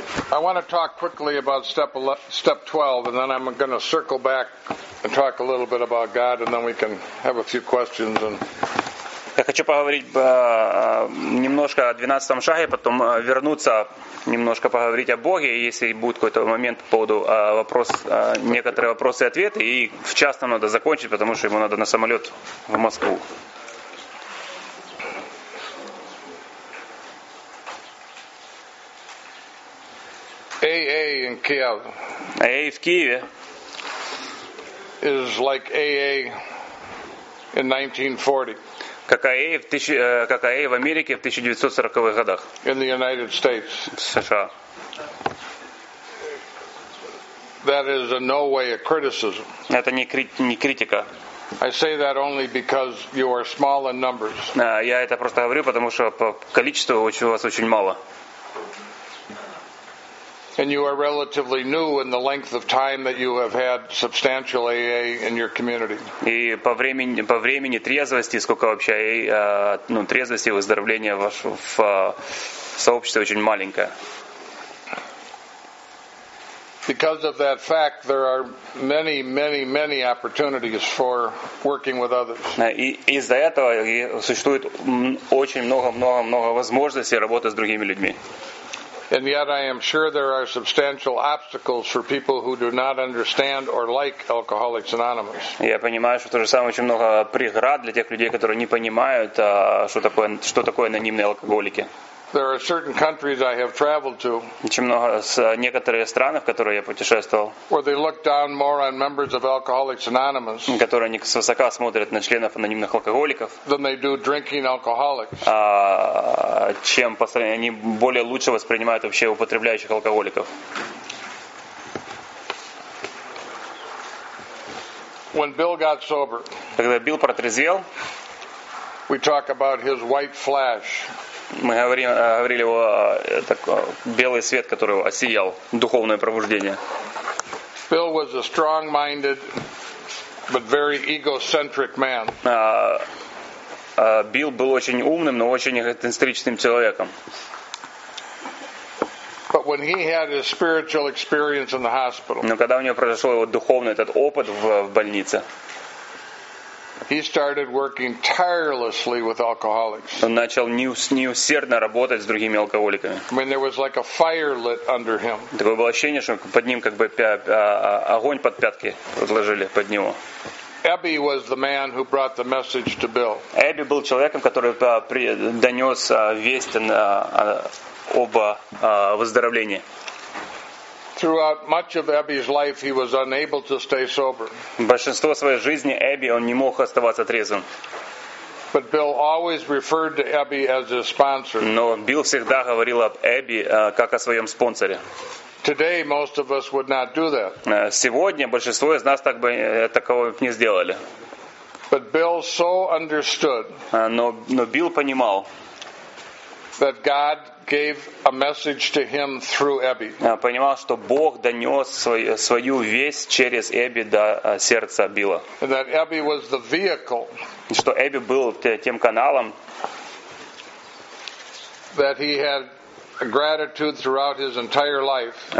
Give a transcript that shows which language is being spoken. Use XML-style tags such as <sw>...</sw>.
<en>I want to talk quickly about step 12, and then I'm going to circle back and talk a little bit about God, and then we can have a few questions. And</en> <ru>я хочу поговорить немножко о 12-м шаге, потом вернуться немножко поговорить о Боге, если будет какой-то момент по поводу некоторые вопросы и ответы, и в частном надо закончить, потому что ему надо на самолет в Москву.</ru> <en>AA in Kiev.</en> <ru>AA в Киеве.</ru> <en>Is like AA in 1940.</en> <ru>Как AA в Америке в 1940-х годах.</ru> <en>In the United States.</en> <ru>В США.</ru> <en>That is in no way a criticism.</en> <ru>Это не критика.</ru> <en>I say that only because you are small in numbers.</en> <ru>Я это просто говорю, потому что по количеству у вас очень мало.</ru> <en>And you are relatively new in the length of time that you have had substantial AA in your community.</en> <ru>И по времени трезвости, сколько вообще трезвости и выздоровления в сообществе очень маленькое.</ru> <en>Because of that fact, there are many, many, many opportunities for working with others.</en> <ru>И из-за этого существует очень много возможностей работы с другими людьми.</ru> <en>And yet I am sure there are substantial obstacles for people who do not understand or like Alcoholics Anonymous.</en> <ru>Я понимаю, что то же самое очень много преград для тех людей, которые не понимают, что такое анонимные алкоголики.</ru> <en>There are certain countries I have traveled to.</en> <ru>Очень много некоторые страны, в которые я путешествовал.</ru> <en>Where they look down more on members of Alcoholics Anonymous.</en> <ru>Которые они свысока смотрят на членов анонимных алкоголиков.</ru> <en>Than they do drinking alcoholics.</en> <ru>Чем по сравнению они более лучше воспринимают вообще употребляющих алкоголиков.</ru> <en>When Bill got sober.</en> <ru>Когда Билл протрезвел.</ru> <en>We talk about his white flash.</en> <ru>Мы говорили о белый свет, который осиял духовное пробуждение.</ru> <en>Bill was a strong-minded, but very egocentric man.</en> <ru>Билл был очень умным, но очень эгоцентричным человеком.</ru> <en>But when he had his spiritual experience in the hospital.</en> <ru>Но когда у него произошел его духовный этот опыт в больнице.</ru> <en>He started working tirelessly with alcoholics.</en> <ru>Он начал неусердно работать с другими алкоголиками.</ru> <en>I mean, there was like a fire lit under him.</en> <ru>Такое было ощущение, что под ним как бы огонь под пятки подложили под него.</ru> <en>Abby was the man who brought the message to Bill.</en> <ru>Эбби был человеком, который донес весть об выздоровлении.</ru> <en>Throughout much of Abby's life, he was unable to stay sober.</en> <ru>Большинство своей жизни Эбби он не мог оставаться трезвым.</ru> <en>But Bill always referred to Abby as his sponsor.</en> <ru>Но Билл всегда говорил об Эбби как о своем спонсоре.</ru> <en>Today, most of us would not do that.</en> <ru>Сегодня большинство из нас так бы такого не сделали.</ru> <en>But Bill so understood.</en> <ru>Но Билл понимал.</ru> <en>That God gave a message to him through Abby.</en> <ru>Понимал, что Бог донес свою весть через Эбби до сердца Билла.</ru> <en>And that Abby was the vehicle.</en> <ru>Что Эбби был тем каналом.</ru> <en>That he had gratitude throughout his entire life.</en>